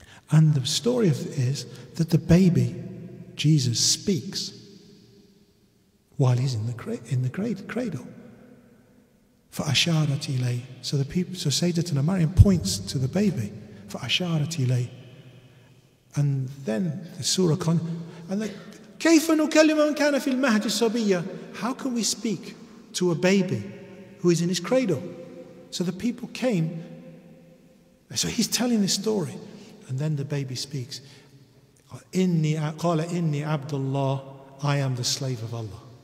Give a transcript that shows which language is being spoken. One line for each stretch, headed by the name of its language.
English: And the story of it is that the baby, Jesus, speaks while he's in the cradle.
Arabic: For asharat ilay.
English: So the people, so Sayyidatina Maryam points to the baby.
Arabic: For asharat ilay.
English: And then the surah
Arabic: كَيْفَ نُكَلِّمُ مَنْ كَانَ فِي الْمَهْدِ صَبِيًّا.
English: How can we speak to a baby who is in his cradle? So the people came. So he's telling this story. And then the baby speaks.
Arabic: قَالَ إِنِّي عَبْدُ اللَّهِ.
English: I am the slave of Allah.